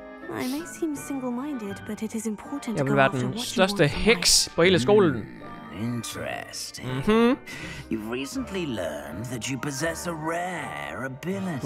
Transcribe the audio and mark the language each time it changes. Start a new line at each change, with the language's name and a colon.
English: I may seem single-minded, but it is important.
Danish: Jeg vil være den største heks på hele skolen.
English: Interesting. Mm-hmm. You've recently learned that you possess a rare ability.